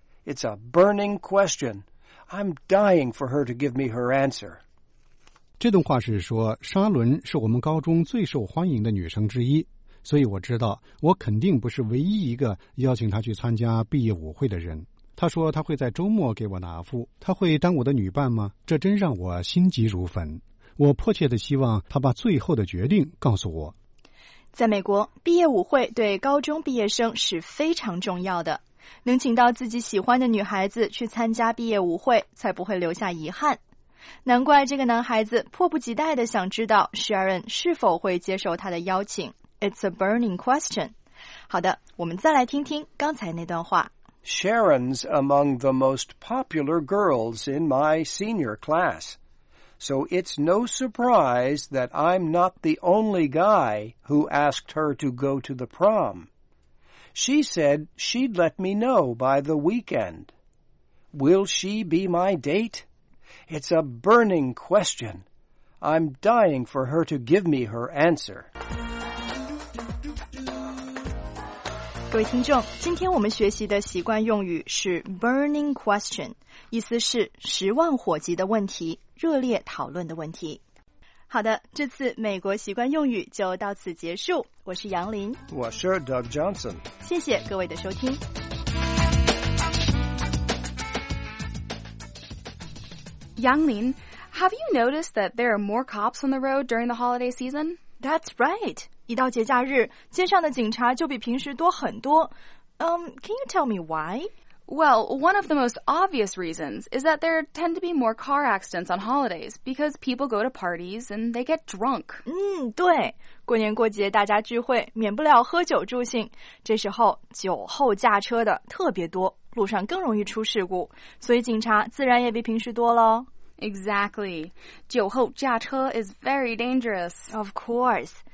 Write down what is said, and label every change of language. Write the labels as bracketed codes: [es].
[en] It's a burning question. I'm dying for her to give me her answer. [zh] 这段话是说，沙伦是我们高中最受欢迎的女生之一，所以我知道我肯定不是唯一一个邀请她去参加毕业舞会的人。她说她会在周末给我答复，她会当我的女伴吗？这真让我心急如焚。我迫切地希望她把最后的决定告诉我。在美国，毕业舞会对高中毕业生是非常重要的。能请到自己喜欢的女孩子去参加毕业舞会，才不会留下遗憾。难怪这个男孩子迫不及待地想知道 Sharon 是否会接受他的邀请。 [en] It's a burning question. [zh] 好的，我们再来听听刚才那段话。 [en] Sharon's among the most popular girls in my senior class. So it's no surprise that I'm not the only guy who asked her to go to the prom. She said she'd let me know by the weekend. Will she be my date? It's a burning question. I'm dying for her to give me her answer. [zh] 各位听众，今天我们学习的习惯用语是 burning question， 意思是十万火急的问题，热烈讨论的问题。好的，这次美国习惯用语就到此结束。我是杨林，我是 Doug Johnson，谢谢各位的收听。 [en] 杨林， have you noticed that there are more cops on the road during the holiday season? That's right. [zh] 一到节假日，街上的警察就比平时多很多。 [en] Can you tell me why? Well, one of the most obvious reasons is that there tend to be more car accidents on holidays because people go to parties and they get drunk. [zh] 对，过年过节大家聚会，免不了喝酒助兴。这时候酒后驾车的特别多，路上更容易出事故，所以警察自然也比平时多了。 [en] Exactly. 酒后驾车 is very dangerous. Of course.